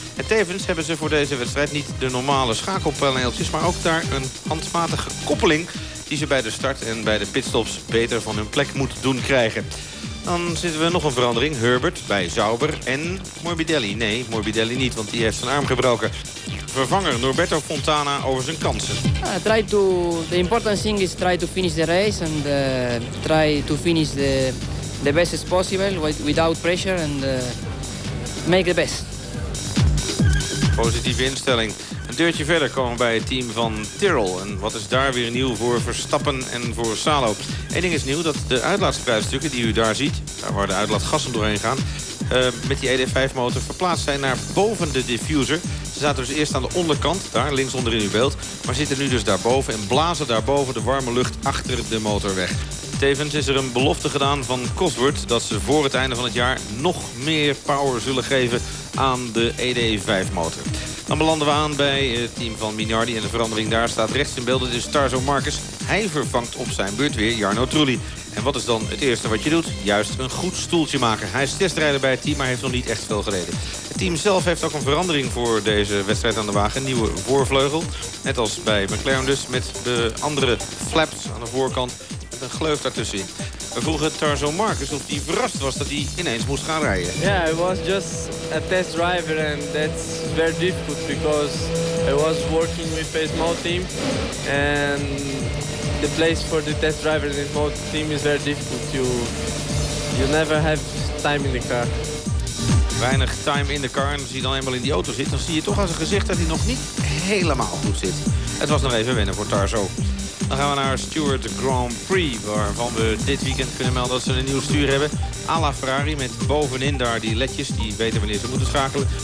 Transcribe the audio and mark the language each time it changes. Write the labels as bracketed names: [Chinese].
[Dutch] En tevens hebben ze voor deze wedstrijd niet de normale schakelpaneeltjes, maar ook daar een handmatige koppeling die ze bij de start en bij de pitstops beter van hun plek moeten doen krijgen. Dan zitten we nog een verandering. Herbert bij Sauber en Morbidelli. Nee, Morbidelli niet, want die heeft zijn arm gebroken. Vervanger Norberto Fontana over zijn kansen. [English] The important thing is try to finish the race and try to finish the best as possible without pressure and make the best. [Dutch] Positieve instelling. Een deurtje verder komen we bij het team van Tyrrell. En wat is daar weer nieuw voor Verstappen en voor Salo? Eén ding is nieuw, dat de uitlaatspruitstukken die u daar ziet, daar waar de uitlaatgassen doorheen gaan, met die ED5-motor verplaatst zijn naar boven de diffuser. Ze zaten dus eerst aan de onderkant, daar links onder in uw beeld, maar zitten nu dus daarboven en blazen daarboven de warme lucht achter de motor weg. Tevens is er een belofte gedaan van Cosworth dat ze voor het einde van het jaar nog meer power zullen geven aan de ED5-motor. Dan belanden we aan bij het team van Minardi en de verandering daar staat rechts in beeld. Het is Tarso Marquez. Hij vervangt op zijn beurt weer Jarno Trulli. En wat is dan het eerste wat je doet? Juist een goed stoeltje maken. Hij is testrijder bij het team, maar heeft nog niet echt veel gereden. Het team zelf heeft ook een verandering voor deze wedstrijd aan de wagen. Een nieuwe voorvleugel. Net als bij McLaren dus, met de andere flaps aan de voorkant. Met een gleuf daartussenin. We vroegen Tarzo Marcus of hij verrast was dat hij ineens moest gaan rijden. [English] Ja, yeah, it was just a test driver and that's very difficult because I was working with a small team and the place for the test driver in a small team is very difficult. You never have time in the car. [Dutch] Weinig time in de car en als hij dan eenmaal in die auto zit, dan zie je toch aan zijn gezicht dat hij nog niet helemaal goed zit. Het was nog even wennen voor Tarzo. Dan gaan we naar Stewart Grand Prix, waarvan we dit weekend kunnen melden dat ze een nieuw stuur hebben. A la Ferrari met bovenin daar die ledjes die weten wanneer ze moeten schakelen.